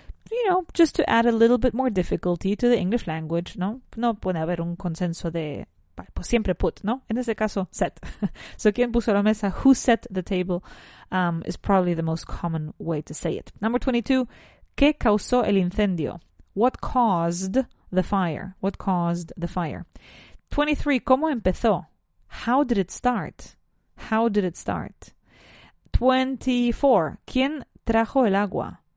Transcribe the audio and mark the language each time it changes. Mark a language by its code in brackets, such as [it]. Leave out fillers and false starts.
[en] You know, just to add a little bit more difficulty to the English language, [es] ¿no? No puede haber un consenso de, pues siempre put, ¿no? En ese caso, set. [en] So, [es] ¿quién puso la mesa? [en] Who set the table? Is probably the most common way to say it. Number 22, [es] ¿qué causó el incendio? [en] What caused the fire? What caused the fire? 23, [es] ¿cómo empezó? [en] How did it start? How did it start? 24, [es] ¿quién trajo el agua?